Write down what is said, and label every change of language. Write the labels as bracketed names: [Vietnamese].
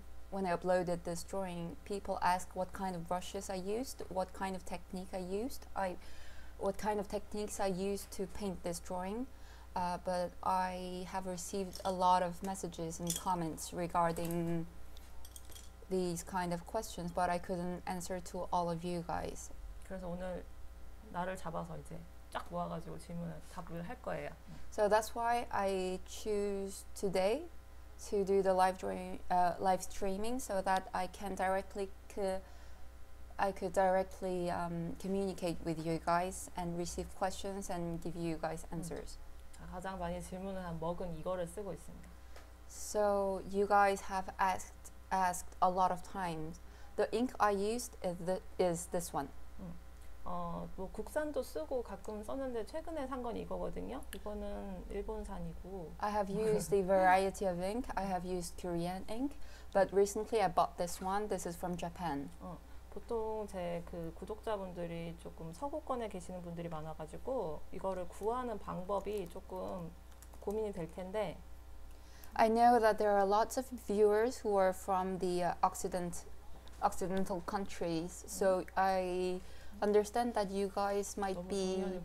[English] When I uploaded this drawing, people ask what kind of brushes I used, what kind of technique I used. What kind of techniques I used to paint this drawing, but I have received a lot of messages and comments regarding these kind of questions, but I couldn't answer to all of you guys. [Korean] 그래서 오늘 나를 잡아서 이제 쫙 모아가지고 질문을 답을 할 거예요. [English] So that's why I choose today to do the live streaming so that I can directly I could directly communicate with you guys and receive questions and give you guys answers. [Korean] 가장 많이 질문을 한 먹은 이거를 쓰고 있습니다. [English] So you guys have asked a lot of times. The ink I used is this one. [Korean] 뭐 국산도 쓰고 가끔 썼는데 최근에 산 건 이거거든요. 이거는 일본산이고. [English] I have used a variety of ink. I have used Korean ink, but recently I bought this one. This is from Japan. [Korean] 보통 제 그 구독자분들이 조금 서구권에 계시는 분들이 많아가지고 이거를 구하는 방법이 조금 고민이 될 텐데. [English] I know that there are lots of viewers who are from the occidental countries. So I understand that you guys might be.